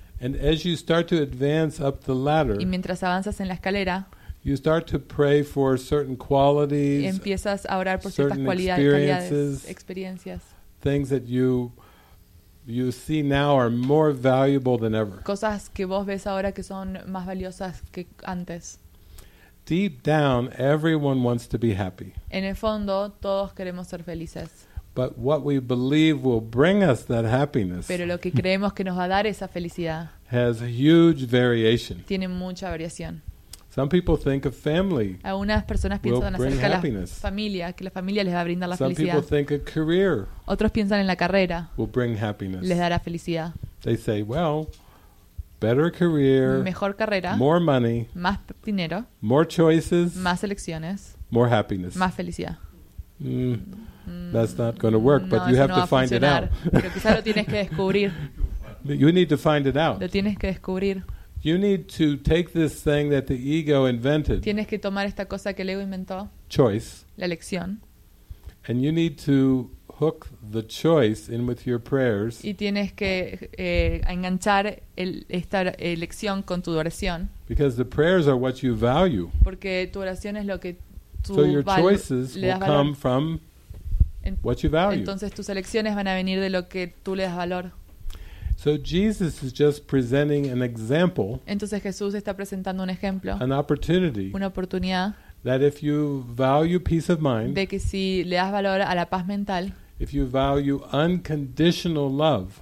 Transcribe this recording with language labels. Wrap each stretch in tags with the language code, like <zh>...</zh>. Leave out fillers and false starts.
<en>And as you start to advance up the ladder,</en> <es>y mientras avanzas en la escalera,</es> <en>you start to pray for certain qualities,</en> <es>empiezas a orar por ciertas cualidades, experiencias,</es> <en>things that you see now are more valuable than ever.</en> <es>Cosas que vos ves ahora que son más valiosas que antes.</es> <en>Deep down, everyone wants to be happy.</en> <es>En el fondo, todos queremos ser felices.</es> <en>But what we believe will bring us that happiness.</en> <es>Pero lo que creemos que nos va a dar esa felicidad.</es> <en>Has a huge variation.</en> <es>Tiene mucha variación.</es> <en>Some people think of family.</en> <es>Algunas personas piensan en la familia, que la familia les va a brindar la felicidad.</es> <en>Some people think a career.</en> <es>Otros piensan en la carrera.</es> <en>Will bring happiness.</en> <es>Les dará felicidad.</es> <en>They say, well, better career.</en> <es>Mejor carrera.</es> <en>More money.</en> <es>Más dinero.</es> <en>More choices.</en> <es>Más elecciones.</es> <en>More happiness.</en> <es>Más felicidad.</es> <en>That's not going to work,</en> <es>no,</es> <en>but you have</en> <es>no</es> <en>to find it out.</en> <es>Pero quizá lo tienes que descubrir.</es> <en>You need to find it out.</en> <es>Lo tienes que descubrir.</es> <en>You need to take this thing that the ego invented.</en> <es>Tienes que tomar esta cosa que el ego inventó.</es> <en>Choice.</en> <es>La elección.</es> <en>And you need to hook the choice in with your prayers.</en> <es>Y tienes que enganchar esta elección con tu oración.</es> <en>Because the prayers are what you value.</en> <es>Porque tu oración es lo que tú</es> <en>so your choices will come from what you value.</en> <es>Entonces tus elecciones van a venir de lo que tú le das valor.</es> <en>So Jesus is just presenting an example.</en> <es>Entonces Jesús está presentando un ejemplo.</es> <en>An opportunity.</en> <es>Una oportunidad.</es> <en>That if you value peace of mind.</en> <es>De que si le das valor a la paz mental.</es> <en>If you value unconditional love.</en>